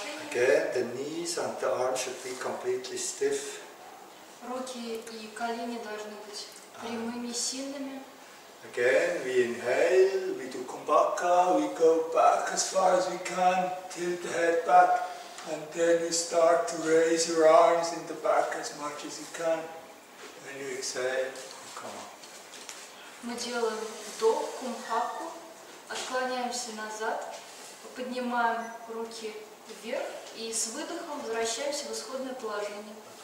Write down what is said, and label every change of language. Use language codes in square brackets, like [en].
[en] Again, the knees and the arms should be completely stiff. [ru] Руки и колени должны быть прямыми, сильными. [en] Again, we inhale, we do kumbhaka, we go back as far as we can, tilt the head back, and then you start to raise your arms in the back as much as you can. Then you exhale, you come up. [ru] Мы делаем вдох, кумхаку, отклоняемся назад, поднимаем руки вверх и с выдохом возвращаемся в исходное положение.